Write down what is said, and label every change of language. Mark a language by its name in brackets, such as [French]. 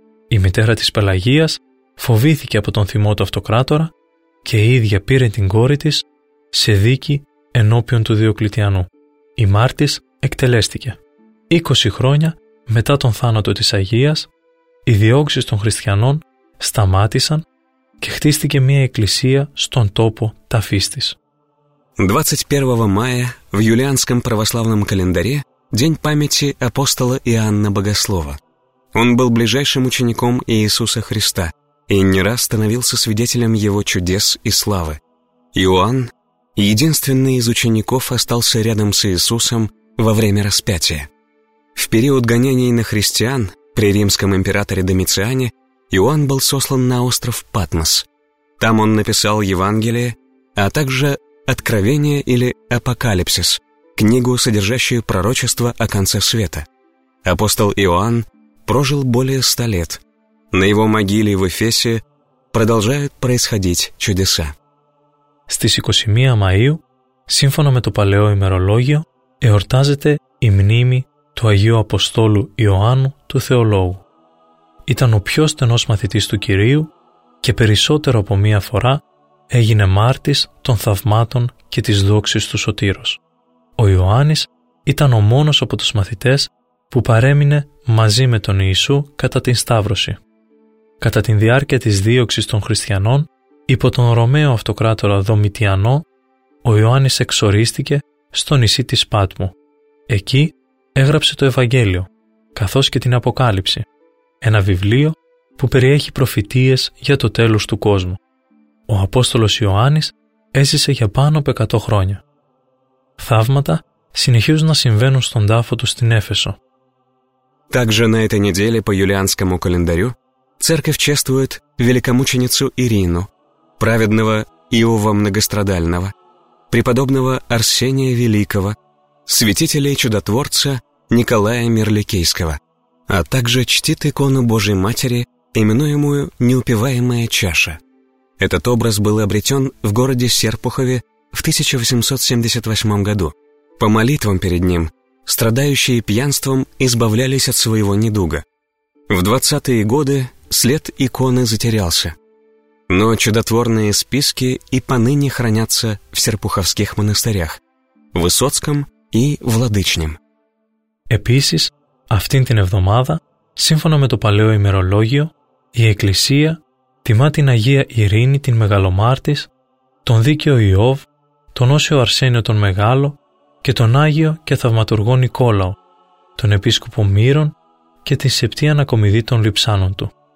[Greek] Η μητέρα της Πελαγίας φοβήθηκε από τον θυμό του αυτοκράτορα και η ίδια πήρε την κόρη της σε δίκη ενώπιον του Διοκλητιανού. Η μάρτης εκτελέστηκε. 20 χρόνια μετά τον θάνατο της Αγίας, οι διώξεις των χριστιανών σταμάτησαν και χτίστηκε μια εκκλησία στον τόπο ταφής της. [Russian] 21 мая в юлианском православном календаре день памяти апостола Иоанна Богослова. Он был ближайшим учеником Иисуса Христа и не раз становился свидетелем его чудес и славы. Иоанн, единственный из учеников, остался рядом с Иисусом во время распятия. В период гонений на христиан при римском императоре Домициане Иоанн был сослан на остров Патмос. Там он написал Евангелие, а также «Откровение» или «Апокалипсис», книгу, содержащую пророчество о конце света. Апостол Иоанн прожил более 100 лет. На его могиле в Эфесе продолжают происходить чудеса. [Greek] Στις 21 Μαΐου, σύμφωνα με το παλαιό ημερολόγιο, εορτάζεται η μνήμη του Αγίου Αποστόλου Ιωάννου του Θεολόγου. Ήταν ο πιο στενός μαθητής του Κυρίου και περισσότερο από μία φορά έγινε μάρτης των θαυμάτων και της δόξης του Σωτήρος. Ο Ιωάννης ήταν ο μόνος από τους μαθητές που παρέμεινε μαζί με τον Ιησού κατά την Σταύρωση. Κατά τη διάρκεια της δίωξης των χριστιανών, υπό τον Ρωμαίο αυτοκράτορα Δομητιανό, ο Ιωάννης εξορίστηκε στο νησί της Πάτμου. Εκεί έγραψε το Ευαγγέλιο, καθώς και την Αποκάλυψη, ένα βιβλίο που περιέχει προφητείες για το τέλος του κόσμου. Ο Απόστολος Ιωάννης έζησε για πάνω από 100 χρόνια. Θαύματα συνεχίζουν να συμβαίνουν στον τάφο του στην Έφεσο. [Russian] Также на этой неделе по юлианскому календарю церковь чествует великомученицу Ирину, праведного Иова Многострадального, преподобного Арсения Великого, святителя и чудотворца Николая Мирликийского, а также чтит икону Божией Матери, именуемую «Неупиваемая чаша». Этот образ был обретен в городе Серпухове в 1878 году. По молитвам перед ним страдающие пьянством избавлялись от своего недуга. В 20-е годы след иконы затерялся. Но чудотворные списки и поныне хранятся в серпуховских монастырях, Высоцком и Владычнем. [Greek] Επίσης, αυτήν την εβδομάδα, σύμφωνα με το παλαιό ημερολόγιο, η Εκκλησία Τιμά την Αγία Ειρήνη, την Μεγαλομάρτης, τον Δίκαιο Ιώβ, τον Όσιο Αρσένιο τον Μεγάλο και τον Άγιο και Θαυματουργό Νικόλαο, τον Επίσκοπο Μύρον και την Σεπτή Ανακομιδή των Λειψάνων του.